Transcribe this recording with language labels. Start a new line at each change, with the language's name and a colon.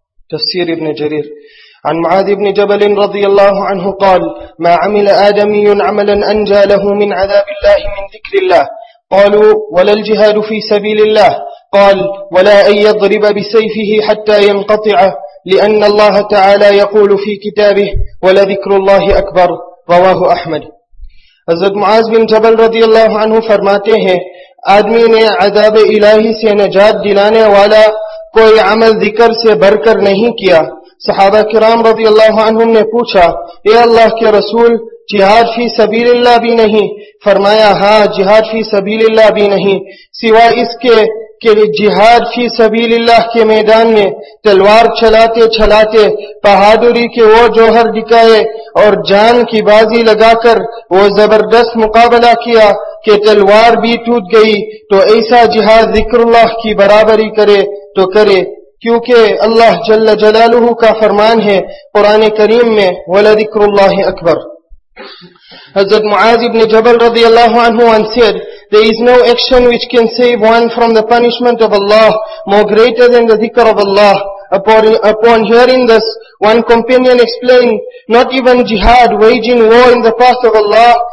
Arabic: تفسير ابن جرير عن معاذ بن جبل رضي الله عنه قال ما عمل آدمي عملا أنجى له من عذاب الله من ذكر الله. قالوا ولا الجهاد في سبيل الله. قال ولا أن يضرب بسيفه حتى ينقطع, لأن الله تعالى يقول في كتابه ولذكر الله أكبر. رواه أحمد.
Urdu: حضرت معاذ بن جبل رضی اللہ عنہ فرماتے ہیں آدمی نے عذاب الہی سے نجات دلانے والا کوئی عمل ذکر سے بڑھ کر نہیں کیا. صحابہ کرام رضی اللہ عنہم نے پوچھا اے اللہ کے رسول جہاد فی سبیل اللہ بھی نہیں؟ فرمایا ہاں جہاد فی سبیل اللہ بھی نہیں سوائے اس کے کہ جہاد فی سبیل اللہ کے میدان میں تلوار چلاتے چلاتے بہادری کے وہ جوہر دکھائے اور جان کی بازی لگا کر وہ زبردست مقابلہ کیا کہ تلوار بھی ٹوٹ گئی. تو ایسا جہاد ذکر اللہ کی برابری کرے تو کرے, کیونکہ اللہ جل جلالہ کا فرمان ہے قرآن کریم میں
Arabic: ولذکر اللہ اکبر.
English: Hazrat Muaz ibn Jabal radiyallahu anhu once said, there is no action which can save one from the punishment of Allah more greater than the dhikr of Allah. Upon hearing this, one companion explained, not even jihad, waging war in the path of Allah.